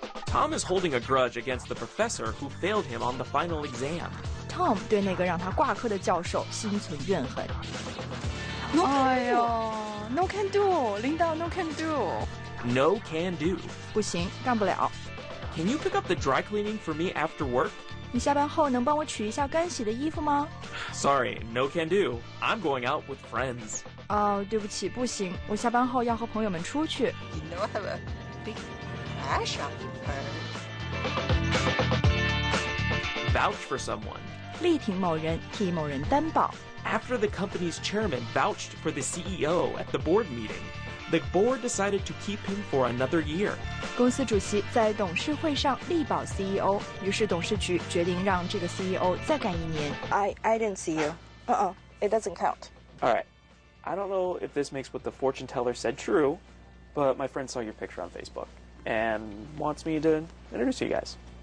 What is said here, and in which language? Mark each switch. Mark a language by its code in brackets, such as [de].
[en] Tom is holding a grudge against the professor who failed him on the final exam。 [zh] Tom 对那个让他挂科的教授心存怨恨。 [en] No can do， [zh] 哎呦 [en] ，No can do， [zh] 领导 [en] ，No can do。 No can do. [zh] 不行，干不了。 [en] Can you pick up the dry cleaning for me after work? [zh] 你下班后能帮我取一下干洗的衣服吗 [en] ？Sorry, no can do. I'm going out with friends. [zh] 哦，对不起，不行，我下班后要和朋友们出去。 [en] You know I have a big crush on her. Vouch for someone. [zh] 力挺某人，替某人担保。 [en] After the company's chairman vouched for the CEO at the board meeting. The board decided to keep him for another year. [zh] 公司主席在董事会上力保 CEO, 于是董事局决定让这个 CEO 再干一年。 [en] I didn't see you. Uh-uh, it doesn't count. All right. I don't know if this makes what the fortune teller said true, but my friend saw your picture on Facebook and wants me to introduce you guys.